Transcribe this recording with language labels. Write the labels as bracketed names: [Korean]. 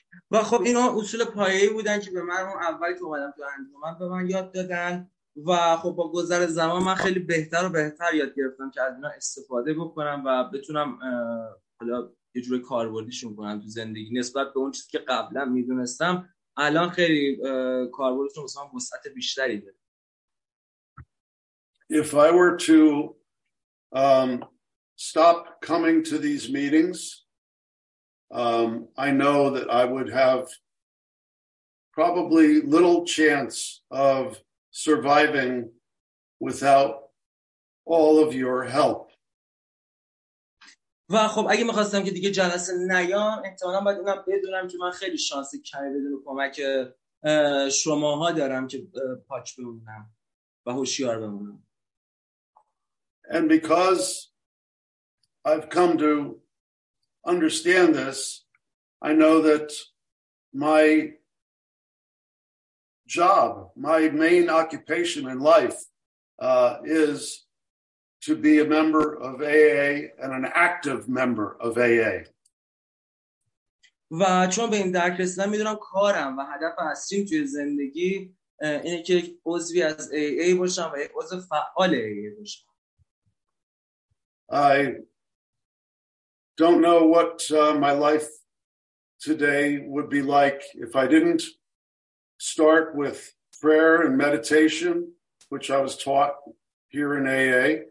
[Persian] و خب اینا اصول پایه‌ای بودن که به من اون اولی که اومدم تو انجمن به من یاد دادن و خب با گذر زمان من خیلی بهتر و بهتر یاد گرفتم که از اینا استفاده بکنم و بتونم حالا یه جور کاربردیشون کنم تو زندگی. نسبت به اون چیزی که قبلا میدونستم الان خیلی کاربردشون واسه من وسعت بیشتری داره. [English] If I were to stop coming to these meetings, I know that I would have probably little chance of surviving without all of your help. [Persian] و خب اگه می‌خواستم که دیگه جلسه نیام، احتمالاً باید اونم بدونم که من خیلی شانس کمی بدون کمک شماها دارم که پاک بمونم و هوشیار بمونم. [English] And because I've come to understand this, I know that my job, my main occupation in life, is to be a member of AA and an active member of AA. [Persian] و چون به این درک رسیدم میدونم کارم و هدف اصلیم توی زندگی اینه که یک عضوی از AA باشم و یک عضو فعال AA باشم. [English] I don't know what my life today would be like if I didn't start with prayer and meditation, which I was taught here in AA.